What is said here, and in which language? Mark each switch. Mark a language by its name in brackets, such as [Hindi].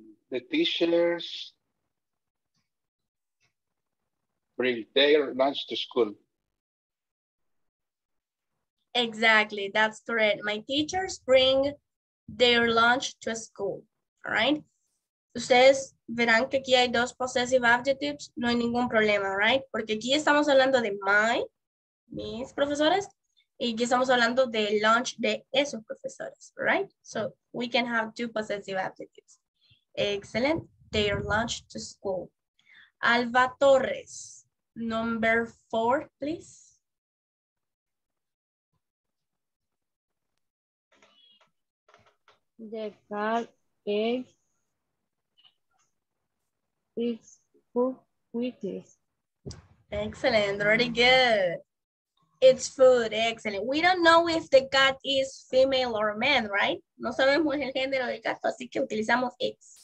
[English] The teachers bring their lunch to school. Exactly, that's correct. My teachers bring their lunch to school, all right? [Spanish] Ustedes verán que aquí hay dos possessive adjectives, no hay ningún problema, right? Porque aquí estamos hablando de my, mis profesores, y aquí estamos hablando de lunch de esos profesores, right? [English] So we can have two possessive adjectives. Excellent, their lunch to school. Alba Torres, number four, please. The car is cooked quickly. Excellent, very good. It's food. Excellent. We don't know if the cat is female or man, right? [Spanish] No sabemos el género del gato, así que utilizamos it.